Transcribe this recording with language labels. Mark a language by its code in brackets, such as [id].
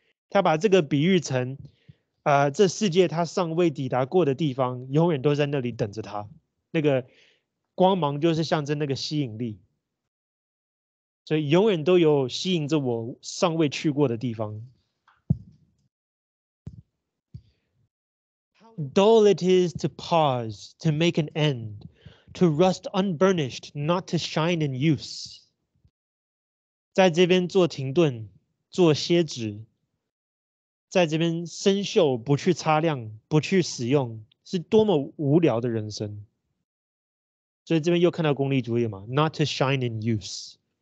[zh] 他把这个比喻成这世界他尚未抵达过的地方永远都在那里等着他，那个光芒就是象征那个吸引力，所以永远都有吸引着我尚未去过的地方。 [en] How dull it is to pause, to make an end, to rust unburnished, not to shine in use. [zh] 在这边做停顿，做歇止，在这边生锈，不去擦亮，不去使用，是多么无聊的人生。所以这边又看到功利主义嘛， [en] not to shine in use.